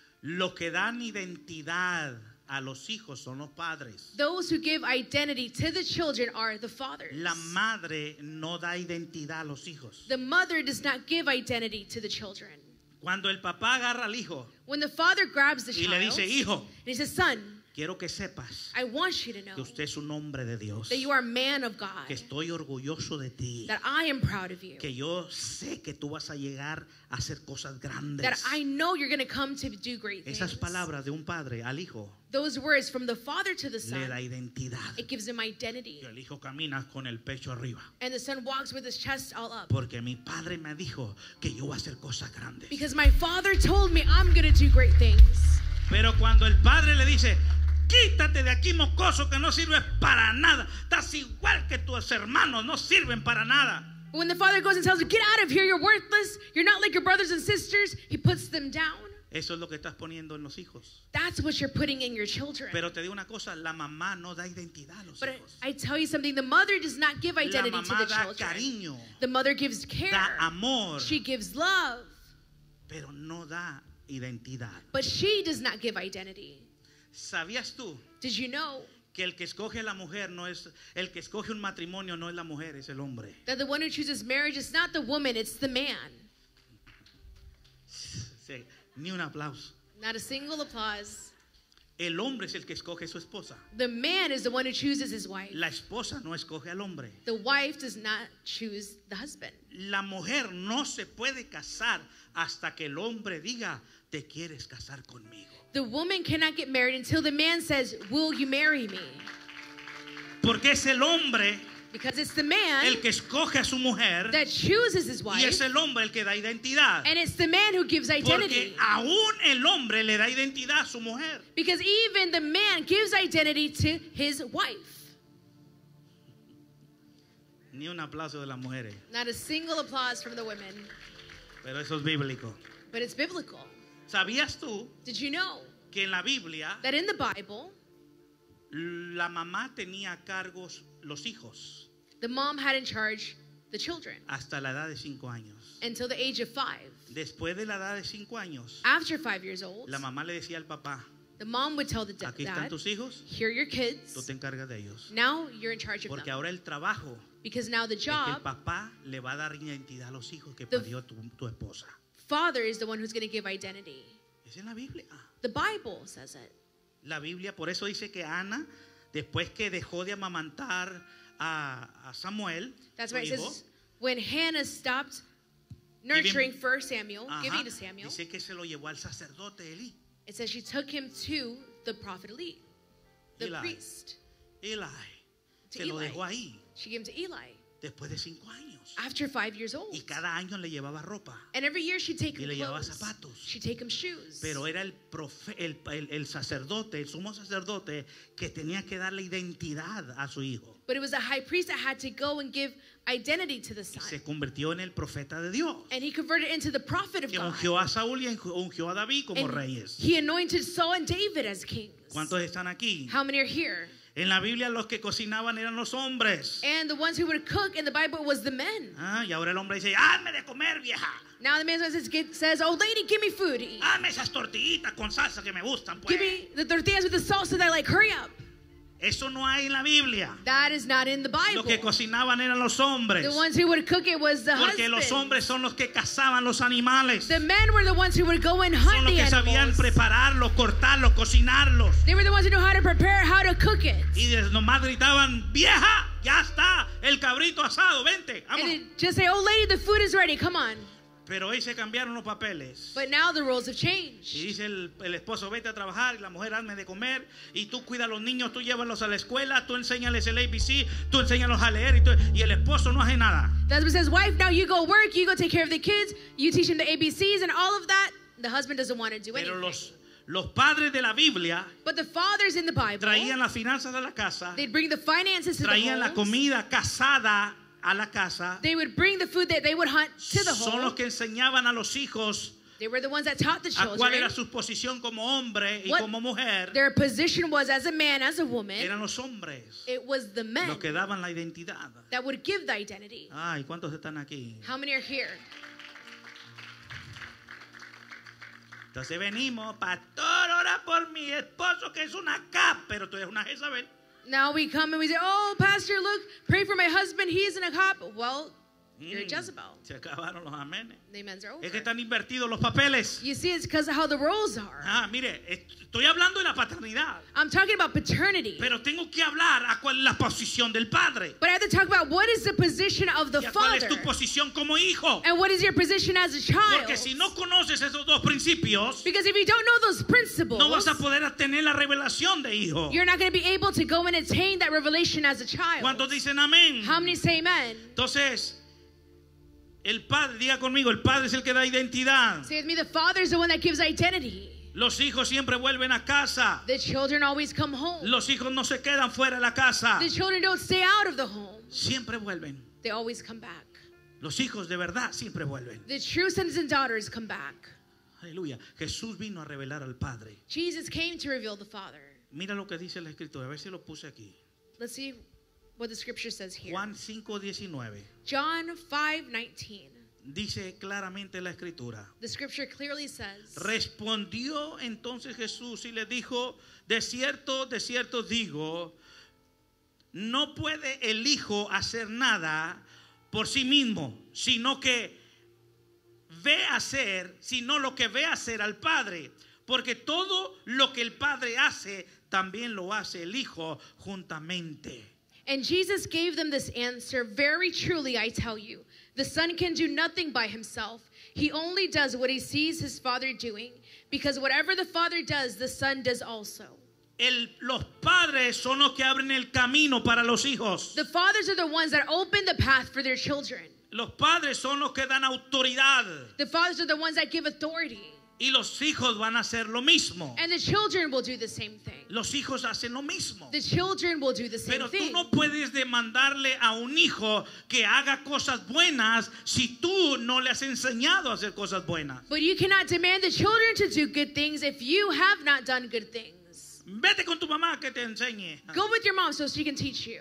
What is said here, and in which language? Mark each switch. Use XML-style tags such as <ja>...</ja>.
<es>Los que dan identidad a los hijos son los padres.</es> <en>Those who give identity to the children are the fathers.</en> <es>La madre no da identidad a los hijos.</es> <en>The mother does not give identity to the children.</en> <es>Cuando el papá agarra al hijo,</es> <en>when the father grabs the</en> <es>y</es> <en>child,</en> <es>le dice, hijo,</es> <en>and he says, son,</en> <es>quiero que sepas,</es> <en>I want you to know,</en> <es>que usted es un hombre de Dios,</es> <en>that you are a man of God,</en> <es>que estoy orgulloso de ti,</es> <en>that I am proud of you,</en> <es>que yo sé que tú vas a llegar a hacer cosas grandes,</es> <en>that I know you're going to come to do great things.</en> <es>Esas palabras de un padre al hijo,</es> <en>those words from the father to the son,</en> <es>le da identidad,</es> <en>it gives him identity.</en> <es>Y el hijo camina con el pecho arriba,</es> <en>and the son walks with his chest all up,</en> <es>porque mi padre me dijo que yo voy a hacer cosas grandes,</es> <en>because my father told me I'm going to do great things.</en> <es>Pero cuando el padre le dice, quítate de aquí, mocoso, que no sirves para nada. Estás igual que tus hermanos, no sirven para nada.</es> <en>When the father goes and tells him, get out of here, you're worthless. You're not like your brothers and sisters. He puts them down.</en> <es>Eso es lo que estás poniendo en los hijos.</es> <en>That's what you're putting in your children.</en> <es>Pero te digo una cosa, la mamá no da identidad a los</es> <en>but</en> <es>hijos.</es> <en>I tell you something, the mother does not give identity to the children.</en> <es>La mamá da cariño.</es> <en>The mother gives care.</en> <es>Da amor.</es> <en>She gives love.</en> <es>Pero no da identidad.</es> <en>But she does not give identity.</en> <es>¿Sabías tú?</es> <en>Did you know?</en> <es>Que el que escoge la mujer no es el que escoge un matrimonio no es la mujer, es el hombre.</es> <en>That the one who chooses marriage is not the woman, it's the man.</en> <es>Sí, ni un aplauso.</es> <en>Not a single applause.</en> <es>El hombre es el que escoge su esposa.</es> <en>The man is the one who chooses his wife.</en> <es>La esposa no escoge al hombre.</es> <en>The wife does not choose the husband.</en> <es>La mujer no se puede casar hasta que el hombre diga, ¿te quieres casar conmigo?</es> <en>The woman cannot get married until the man says, will you marry me?</en> <es>Porque es el hombre,</es> <en>because it's the man,</en> <es>el que escoge a su mujer,</es> <en>that chooses his wife,</en> <es>y es el hombre el que da identidad,</es> <en>and it's the man who gives identity.</en> <es>Porque aún el hombre le da identidad a su mujer,</es> <en>because even the man gives identity to his wife.</en> <es>Ni un aplauso de las mujeres.</es> <en>Not a single applause from the women.</en> <es>Pero eso es bíblico.</es> <en>But it's biblical.</en> <es>¿Sabías tú?</es> <en>Did you know?</en> <es>Que en la Biblia,</es> <en>that in the Bible,</en> <es>la mamá tenía a cargo los hijos.</es> <en>The mom had in charge the children.</en> <es>Hasta la edad de 5 años.</es> <en>Until the age of 5.</en> <es>Después de la edad de 5 años,</es> <en>after 5 years old,</en> <es>la mamá le decía al papá,</es> <en>the mom would tell the dad,</en> <es>aquí están tus hijos,</es> <en>here are your kids,</en> <es>tú te encargas de ellos.</es> <en>Now you're in charge of</en> <es>porque</es> <en>them.</en> <es>Ahora el trabajo,</es> <en>because now the job,</en> <es>es que el papá le va a dar identidad a los hijos que perdió tu esposa.</es> <en>Father is the one who's going to give identity.</en> <es>Es en la Biblia.</es> <en>The Bible says it.</en> <es>La Biblia, por eso dice que Ana, después que dejó de amamantar a Samuel,</es> <en>that's why</en> <es>hijo,</es> <en>it says, when Hannah stopped nurturing first Samuel, giving to Samuel,</en> <es>dice que se lo llevó al sacerdote Eli.</es> <en>It says she took him to the prophet Eli, the Eli, priest. Eli. To</en> <es>Eli. Lo dejó ahí.</es> <en>She gave him to Eli.</en> <es>Después de 5 años.</es> <en>After 5 years old.</en> <es>Y cada año le llevaba ropa.</es> <en>And every year she'd take</en> <es>y</es> <en>him</en> <es>le</es> <en>clothes.</en> <es>Llevaba zapatos.</es> <en>She'd take him shoes.</en> <es>Pero era el sacerdote, el sumo sacerdote, que tenía que darle identidad a su hijo.</es> <en>But it was the high priest that had to go and give identity to the son.</en> <es>Y se convirtió en el profeta de Dios.</es> <en>And he converted into the prophet of God.</en> <es>Ungió a Saúl y ungió a David como</es> <en>and</en> <es>reyes.</es> <en>He anointed Saul and David as kings.</en> <es>¿Cuántos están aquí?</es> <en>How many are here?</en> <es>En la Biblia los que cocinaban eran los hombres.</es> <en>And the ones who would cook in the Bible was the men.</en> <es>Ah, y ahora el hombre dice, hazme de comer, vieja.</es> <en>Now the man says, oh lady, give me food to eat.</en> <es>Hazme esas tortillitas con salsa que me gustan, pues.</es> <en>Give me the tortillas with the salsa that I like. Hurry up.</en> <es>Eso no hay en la Biblia.</es> <en>That is not in the Bible.</en> <es>Los que cocinaban eran los hombres.</es> <en>The ones who would cook it was the</en> <es>porque</es> <en>husbands.</en> <es>Los hombres son los que cazaban los animales.</es> <en>The men were the ones who would go and hunt</en> <es>son los que</es> <en>the</en> <es>sabían</es> <en>animals.</en> <es>Prepararlos, cortarlos, cocinarlos.</es> <en>They were the ones who knew how to prepare, how to cook it.</en> <es>Y nomás gritaban, vieja, ya está el cabrito asado, vente, vamos.</es> <en>And they just say, oh lady, the food is ready, come on.</en> <es>Pero hoy se cambiaron los papeles.</es> <en>But now the roles have changed.</en> <es>Y dice el esposo, vete a trabajar, y la mujer, hazme de comer, y tú cuida a los niños, tú llévalos a la escuela, tú enséñales el ABC, tú enséñalos a leer, y el esposo no hace nada.</es> <en>The husband says, wife, now you go work, you go take care of the kids, you teach them the ABCs and all of that. The husband doesn't want to do</en> <es>pero</es> <en>anything.</en> <es>Los padres de la Biblia,</es> <en>but the fathers in the Bible,</en> <es>traían las finanzas a la casa,</es> <en>they'd bring the finances to</en> <es>traían</es> <en>the</en> <es>la comida casada a la casa.</es> <en>They would bring the food that they would hunt to the</en> <es>son Son los que enseñaban a los hijos.</es> <en>They were the ones that taught the children.</en> <es>A cuál era su posición como hombre y</es> <en>what</en> <es>como mujer.</es> <en>Their position was as a man, as a woman.</en> <es>Eran los hombres.</es> <en>It was the men.</en> <es>Los que daban la identidad.</es> <en>That would give the identity.</en> <es>Ay, ¿cuántos están aquí?</es> <en>How many are here?</en> <es>Entonces venimos, pastor, ora por mi esposo que es una cap, pero tú eres una Jezabel.</es> <en>Now we come and we say, oh, pastor, look, pray for my husband. He's in a cop. Well, you're Jezebel.</en> <es>Se acabaron los amenes.</es> <en>The amens are over.</en> <es>Es que están invertidos los papeles.</es> <en>You see, it's because of how the roles are.</en> <es>Ah, mire, estoy hablando de la paternidad.</es> <en>I'm talking about paternity.</en> <es>Pero tengo que hablar a cuál es la posición del padre.</es> <en>But I have to talk about what is the position of the father.</en> <es>Y cuál es tu posición como hijo.</es> <en>And what is your position as a child.</en> <es>Porque si no conoces esos dos principios.</es> <en>Because if you don't know those principles.</en> <es>No vas a poder obtener la revelación de hijo.</es> <en>You're not going to be able to go and attain that revelation as a child.</en> <es>¿Cuántos dicen amén?</es> <en>How many say amen?</en> <es>Entonces, el padre, diga conmigo, el padre es el que da identidad.</es> <en>Say with me, the father is the one that gives identity.</en> <es>Los hijos siempre vuelven a casa.</es> <en>The children always come home.</en> <es>Los hijos no se quedan fuera de la casa.</es> <en>The children don't stay out of the home.</en> <es>Siempre vuelven.</es> <en>They always come back.</en> <es>Los hijos de verdad siempre vuelven.</es> <en>The true sons and daughters come back.</en> <es>Aleluya. Jesús vino a revelar al Padre.</es> <en>Jesus came to reveal the Father.</en> <es>Mira lo que dice la Escritura. A ver si lo puse aquí.</es> <en>Let's see what the Scripture says here.</en> <es>Juan 5:19.</es> <en>John 5:19.</en> <es>Dice claramente la Escritura.</es> <en>The Scripture clearly says.</en> <es>Respondió entonces Jesús y le dijo, de cierto digo, no puede el Hijo hacer nada por sí mismo, sino lo que ve hacer al Padre, porque todo lo que el Padre hace, también lo hace el Hijo juntamente.</es> <en>And Jesus gave them this answer, very truly I tell you, the Son can do nothing by himself. He only does what he sees his Father doing, because whatever the Father does, the Son does also.</en> <es>Los padres son los que abren el camino para los hijos.</es> <en>The fathers are the ones that open the path for their children.</en> <es>Los padres son los que dan autoridad.</es> <en>The fathers are the ones that give authority.</en> <es>Y los hijos van a hacer lo mismo.</es> <en>And the children will do the same thing.</en> <es>Los hijos hacen lo mismo.</es> <en>The children will do the same</en> <es>Pero</es> <en>thing.</en> <es>Tú no puedes demandarle a un hijo que haga cosas buenas si tú no le has enseñado a hacer cosas buenas.</es> <en>But you cannot demand the children to do good things if you have not done good things.</en> <es>Vete con tu mamá que te enseñe.</es> <en>Go with your mom so she can teach you.</en>